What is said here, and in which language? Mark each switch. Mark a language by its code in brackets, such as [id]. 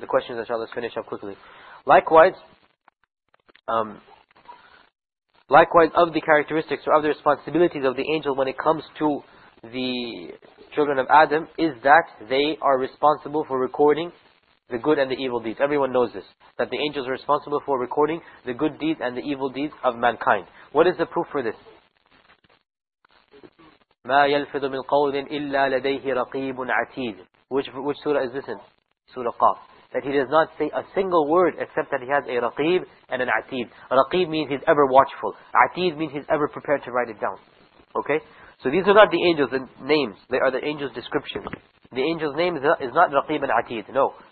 [en] The questions, inshallah, let's finish up quickly. Likewise, of the characteristics or of the responsibilities of the angel when it comes to the children of Adam, is that they are responsible for recording the good and the evil deeds. Everyone knows this, that the angels are responsible for recording the good deeds and the evil deeds of mankind. What is the proof for this? [ar] ما يلفظ من قول إلا لديه رقيب عتيد. [en] Which surah is this in? Surah Qaf. That he does not say a single word except that he has a raqib and an atid. Raqib means he's ever watchful. Atid means he's ever prepared to write it down. Okay? So these are not the angels' names. They are the angels' description. The angel's name is not raqib and atid. No.